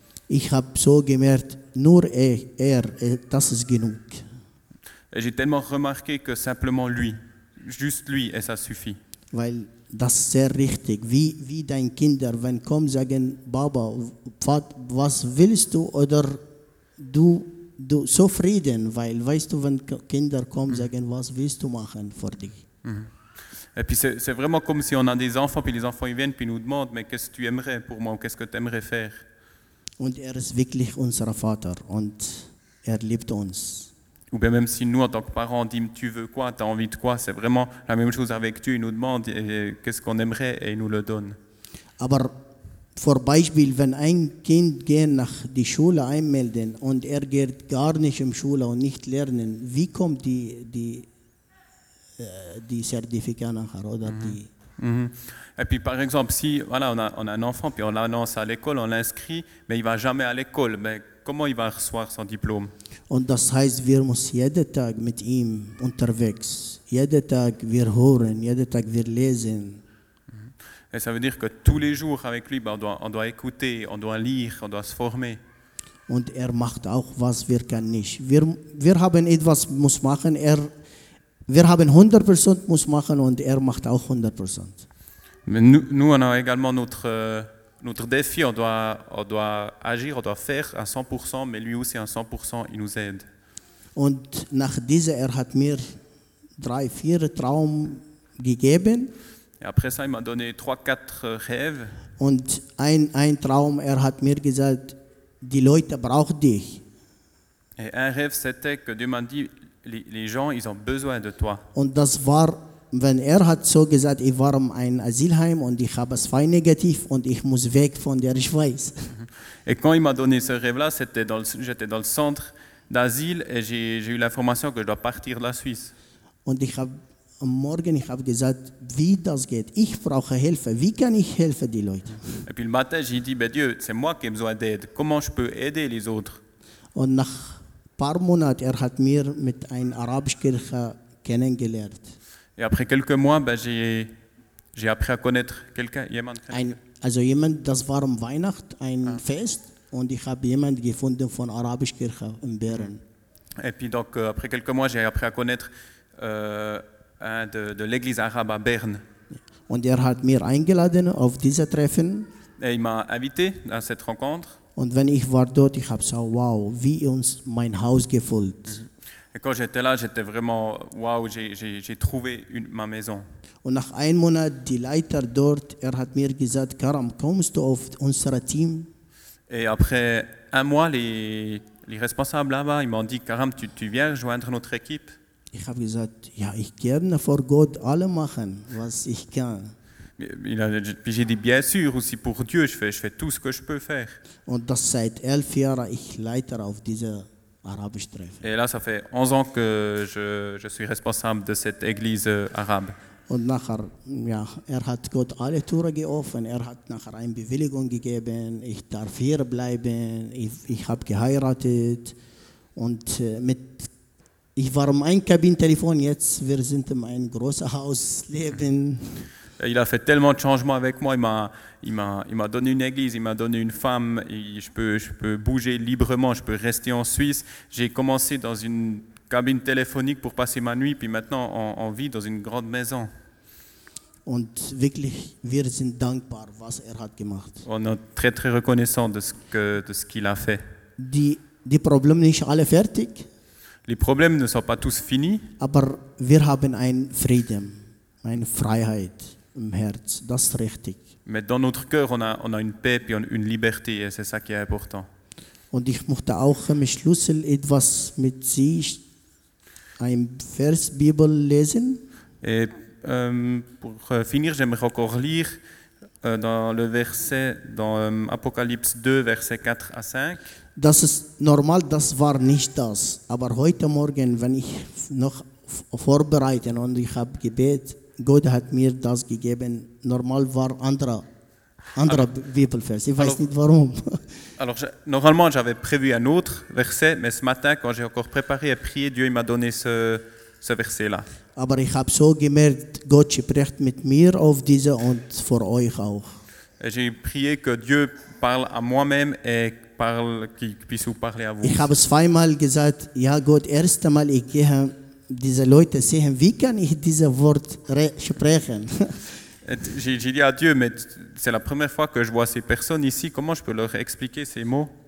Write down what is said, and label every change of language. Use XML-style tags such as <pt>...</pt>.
<de>Ich habe so gemerkt, nur er, das ist genug.</de> <fr>Et j'ai tellement remarqué que simplement lui, juste lui, et ça suffit.</fr> <de>Weil das sehr richtig. Wie deine Kinder, wenn kommen, sagen, Baba, was willst du? Oder du zufrieden, weil weißt du, wenn Kinder kommen, sagen, was willst du machen für dich?</de> <fr>Et puis c'est vraiment comme si on a des enfants, puis les enfants ils viennent, puis ils nous demandent, mais qu'est-ce que tu aimerais pour moi, qu'est-ce que tu aimerais faire?</fr> <de>Und ist wirklich unser Vater, und liebt uns.</de> <fr>Ou bien même si nous, en tant que parents, on dit « Tu veux quoi? T'as envie de quoi ?» C'est vraiment la même chose avec Dieu. Il nous demande « Qu'est-ce qu'on aimerait ?» et il nous le donne.</fr> <de>Aber vor Beispiel, wenn ein Kind geht nach die Schule einmelden und geht gar nicht im Schule und nicht lernen, wie kommt die Zertifikat nachher oder die? Mm-hmm.</de> <fr>Et puis par exemple, si voilà, on a un enfant, puis on l'annonce à l'école, on l'inscrit, mais il ne va jamais à l'école. Mais comment il va recevoir son diplôme?</fr> <de>Und das heißt, wir müssen jeden Tag mit ihm unterwegs. Jeden Tag wir hören, jeden Tag wir lesen.</de> <fr>Et ça veut dire que tous les jours avec lui, on doit écouter, on doit lire, on doit se former.</fr> <de>Und macht auch, was wir können nicht. Wir haben etwas muss machen, wir haben 100% muss machen und macht auch 100%.</de> <fr>Mais nous, on a également notre défi, on doit agir, on doit faire à 100%, mais lui aussi à 100%, il nous aide.</fr> <de>Und nach dieser, hat mir 3-4 Traum gegeben.</de> <fr>Et après ça, il m'a donné 3-4 rêves.</fr> <de>Und ein Traum, hat mir gesagt, die Leute brauchen dich.</de> <fr>Et un rêve, c'était que Dieu m'a dit, les gens, ils ont besoin de toi.</fr> <de>Und das war, wenn hat so gesagt, ich war in ein Asylheim und ich habe 2 negativ und ich muss weg von der Schweiz.</de> <fr>Et quand il m'a donné ce rêve-là, j'étais dans le centre d'asile et j'ai eu l'information que je dois partir de la Suisse.</fr> <de>Und am Morgen, ich habe gesagt, wie das geht, ich brauche Hilfe, wie kann ich helfen die Leute?</de> <fr>Et puis le matin, j'ai dit, ben Dieu, c'est moi qui ai besoin d'aide. Comment je peux aider les autres?</fr> <de>Und nach paar Monat, hat mir mit ein Arabisch Kirche kennengelernt.</de> <fr>Et après quelques mois, ben j'ai appris à connaître quelqu'un,</fr> <de>jemand. Also jemand, das war um Weihnachten, Fest, und ich habe jemand gefunden von Arabisch Kirche in Bern.</de> <fr>Et puis donc après quelques mois, j'ai appris à connaître de l'église arabe à Berne.</fr> <de>Und hat mir eingeladen auf diese Treffen.</de> <fr>Et il m'a invité à cette rencontre.</fr> <de>Und wenn ich war dort, ich habe so wow, wie uns mein Haus gefühlt.</de> <fr>Et quand j'étais là, j'étais vraiment wow, j'ai trouvé ma maison.</fr> <de>Und nach einem Monat, die Leiter dort, hat mir gesagt, Karam, kommst du auf unser Team?</de> <fr>Et après un mois, les responsables là-bas, ils m'ont dit, Karam, tu viens rejoindre notre équipe?</fr> <de>Ich habe gesagt, ja, ich gerne vor Gott alle machen, was ich kann.</de> <fr>Puis j'ai dit, bien sûr, aussi pour Dieu, je fais tout ce que je peux faire.</fr> <de>Und das seit 11 Jahren, ich leite auf diese arabische Treffen.</de> <fr>Et là, ça fait 11 ans que je suis responsable de cette église arabe.</fr> <de>Und nachher, ja, hat Gott alle Türen geöffnet, hat nachher eine Bewilligung gegeben, ich darf hier bleiben, ich habe geheiratet und ich war mein Kabinentelefon, jetzt wir sind in meinem großen Haus leben.</de> <fr>Il a fait tellement de changements avec moi. Il m'a donné une église, il m'a donné une femme. Je peux bouger librement, je peux rester en Suisse. J'ai commencé dans une cabine téléphonique pour passer ma nuit, puis maintenant on vit dans une grande maison.</fr> <de>Und wirklich, wir sind dankbar, was hat gemacht.</de> <fr>On est très très reconnaissant de ce qu'il a fait.</fr> <de>Die Probleme nicht alle fertig.</de> <fr>Les problèmes ne sont pas tous finis.</fr> <de>Aber wir haben ein Frieden. Meine Freiheit im Herz, das ist richtig.</de> <fr>Mais dans notre cœur, on a une paix puis une liberté, et c'est ça qui est important.</fr> <de>Und ich möchte auch am Schluss etwas mit Sie ein Vers Bibel lesen.</de> <fr>Et pour finir, j'aimerais encore lire dans le verset dans Apocalypse 2, verset 4 à 5.</fr> <de>Das ist normal, das war nicht das. Aber heute Morgen, wenn ich noch vorbereitet und ich habe gebetet, Gott hat mir das gegeben. Normal war andere Bibelvers. Ich weiß nicht warum.</de> <fr>Alors, normalement, j'avais prévu un autre verset, mais ce matin, quand j'ai encore préparé et prié, Dieu m'a donné ce verset-là.</fr> <de>Aber ich habe so gemerkt, Gott spricht mit mir auf diese und vor euch auch.</de> <fr>Et j'ai prié que Dieu parle à moi-même et qu'il puisse vous parler à vous.</fr> <de>Ich habe zweimal gesagt, ja Gott, erste Mal, ich gehe. Diese Leute sehen, wie kann ich dieses Wort sprechen?</de> <fr>J'ai dit à Dieu, mais c'est la première fois que je vois ces personnes ici, comment je peux leur expliquer ces mots?</fr>